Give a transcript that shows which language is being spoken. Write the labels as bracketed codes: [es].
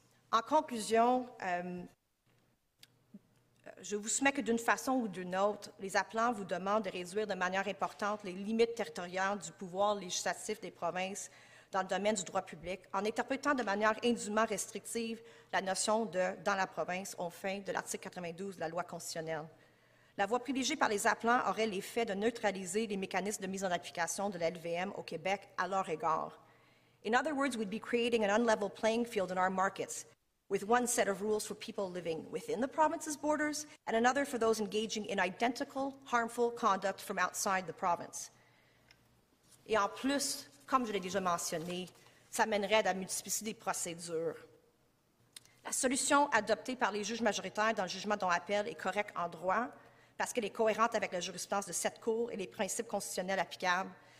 [fr] En conclusion, je vous soumets que d'une façon ou d'une autre, les appelants vous demandent de réduire de manière importante les limites territoriales du pouvoir législatif des provinces dans le domaine du droit public, en interprétant de manière indûment restrictive la notion de « dans la province » au fin de l'article 92 de la loi constitutionnelle. La voie privilégiée par les appelants aurait l'effet de neutraliser les mécanismes de mise en application de la LVM au Québec à leur égard. [en] In other words, we'd be creating an unlevel playing field in our markets, with one set of rules for people living within the province's borders and another for those engaging in identical, harmful conduct from outside the province. [fr] Et en plus, comme je l'ai déjà mentionné, ça mènerait à la multiplicité des procédures. La solution adoptée par les juges majoritaires dans le jugement dont appel est correcte en droit, parce qu'elle est cohérente avec la jurisprudence de cette Cour et les principes constitutionnels applicables.